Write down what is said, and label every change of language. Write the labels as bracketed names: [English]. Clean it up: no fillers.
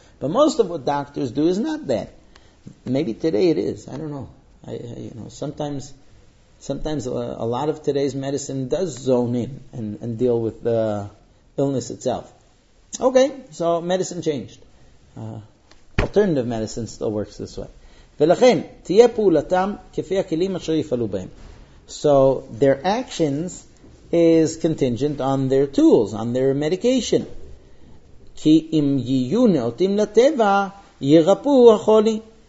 [English] But most of what doctors do is not that. Maybe today it is. I don't know. Sometimes a lot of today's medicine does zone in and deal with the illness itself. Okay, so medicine changed. Alternative medicine still works this way. [Hebrew] ולכן, תהיה פעולתם כפי הכלים אשר יפעלו בהם. [English] So their actions is contingent on their tools, on their medication. [Hebrew] כי אם יהיו נאותים לטבע, ירפאו החולי.